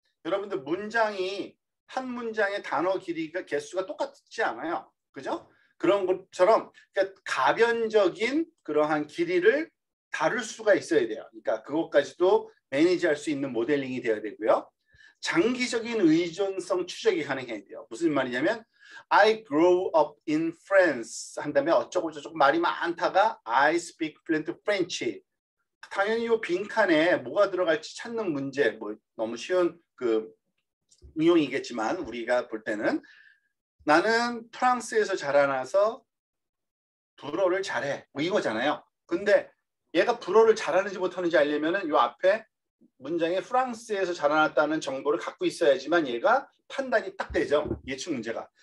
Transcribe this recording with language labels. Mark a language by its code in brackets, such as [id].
[ko] 여러분들 문장이 한 문장의 단어 길이가 개수가 똑같지 않아요. 그죠? 그런 것처럼 그러니까 가변적인 그러한 길이를 다룰 수가 있어야 돼요. 그러니까 그것까지도 매니지할 수 있는 모델링이 되어야 되고요. 장기적인 의존성 추적이 가능해야 돼요. [en] 무슨 말이냐면 I grow up in France [ko] 한 다음에 어쩌고저쩌고 말이 많다가 [en] I speak fluent French. [ko] 당연히 이 빈칸에 뭐가 들어갈지 찾는 문제, 뭐 너무 쉬운 그 응용이겠지만 우리가 볼 때는 나는 프랑스에서 자라나서 불어를 잘해. 뭐 이거잖아요. 근데 얘가 불어를 잘하는지 못하는지 알려면은 이 앞에 문장에 프랑스에서 자라났다는 정보를 갖고 있어야지만 얘가 판단이 딱 되죠. 예측 문제가.